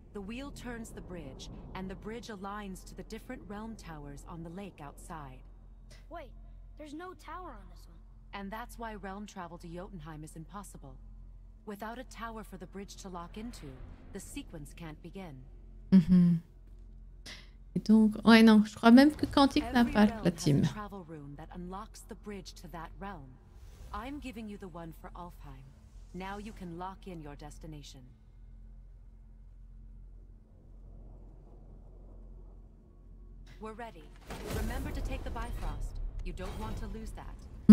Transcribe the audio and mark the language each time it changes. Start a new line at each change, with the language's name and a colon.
English: The wheel turns the bridge, and the bridge aligns to the different realm towers on the lake outside. Wait, there's no tower on this one. And that's why realm travel to Jotunheim is impossible. Without a tower for the bridge to lock into, the sequence can't begin. Mm-hmm.
French: Et donc, ouais non, je crois même que Quantic n'a pas la team.
English: Every realm has a travel room that unlocks the bridge to that realm. I'm giving you the one for Alfheim. Now you can lock in your destination. We're ready. Remember to take the Bifrost. You don't want to lose that.